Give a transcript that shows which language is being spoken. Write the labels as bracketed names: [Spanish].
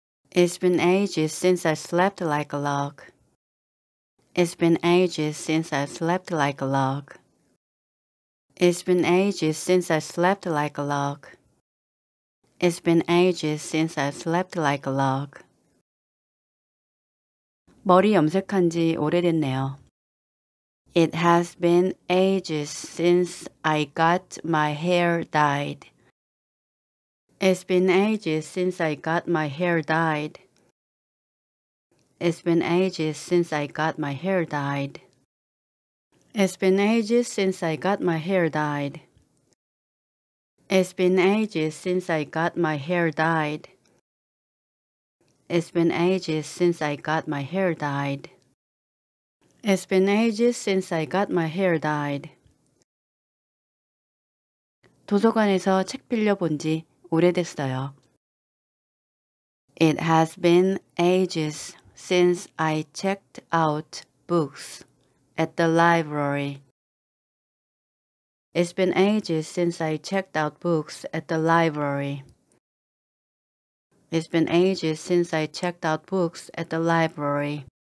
[English] It's been ages since I slept like a log. It's been ages since I slept like a log. It's been ages since I slept like a log. It's been ages since I slept like a log. [Korean] 머리 염색한 지 오래됐네요. [English] It has been ages since I got my hair dyed. It's been ages since I got my hair dyed. It's been ages since I got my hair dyed. It's been ages since I got my hair dyed. It's been ages since I got my hair dyed. It's been ages since I got my hair dyed. It's been ages since I got my hair dyed. [Korean] 도서관에서 책 빌려 본 지 오래됐어요. [English] It has been ages since I checked out books at the library. It's been ages since I checked out books at the library. It's been ages since I checked out books at the library.